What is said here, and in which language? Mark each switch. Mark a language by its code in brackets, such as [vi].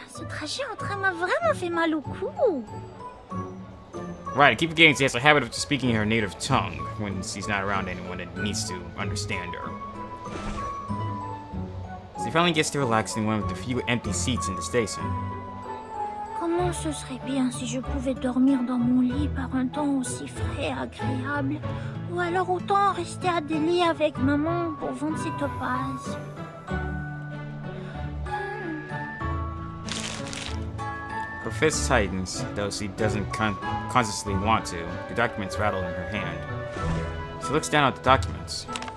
[fr] Ce trajet en train m'a vraiment fait mal au cou! [en] Right, I keep forgetting she has a habit of speaking in her native tongue when she's not around anyone that needs to understand her. She finally gets to relax in one of the few empty seats in the station. [fr] Comment ce serait bien si je pouvais dormir dans mon lit par un temps aussi frais et agréable, ou alors autant rester à des lits avec maman pour vendre ses topazes? [en] Her fist tightens, though she doesn't consciously want to. The documents rattle in her hand. She looks down at the documents.